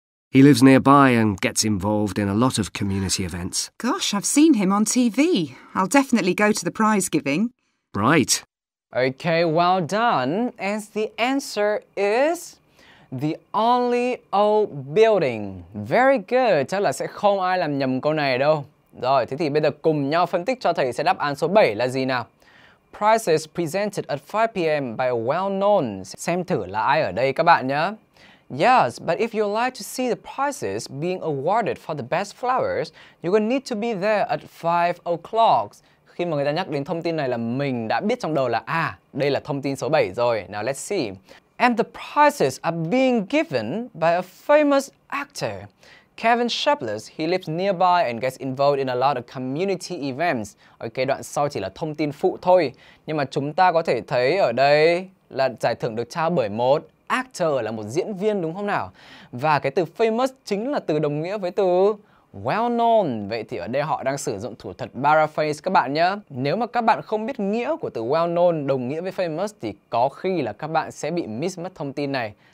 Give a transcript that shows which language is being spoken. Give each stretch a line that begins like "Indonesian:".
English: He lives nearby and gets involved in a lot of community events. Gosh, I've seen him on TV. I'll definitely go to the prize giving. Right. Okay, well done. And the answer is the only old building. Very good.
Vietnamese: Chắc là sẽ không ai làm nhầm câu này đâu. Rồi, thế thì bây giờ cùng nhau phân tích cho thầy sẽ đáp án số 7 là gì nào.
English: Prizes presented at 5 p.m. by a well-known.
Vietnamese: Xem thử là ai ở đây các bạn nhé.
English: Yes, but if you'd like to see the prizes being awarded for the best flowers, you're going to need to be there at 5 o'clock.
Vietnamese: Khi mà người ta nhắc đến thông tin này là mình đã biết trong đầu là à, đây là thông tin số 7 rồi.
English: Now let's see. And the prizes are being given by a famous actor, Kevin Shapless. He lives nearby and gets involved in a lot of community events.
Vietnamese: Ok, đoạn sau chỉ là thông tin phụ thôi. Nhưng mà chúng ta có thể thấy ở đây là giải thưởng được trao bởi một actor là một diễn viên đúng không nào? Và cái từ famous chính là từ đồng nghĩa với từ well known. Vậy thì ở đây họ đang sử dụng thủ thuật paraphrase các bạn nhé. Nếu mà các bạn không biết nghĩa của từ well known đồng nghĩa với famous thì có khi là các bạn sẽ bị miss mất thông tin này.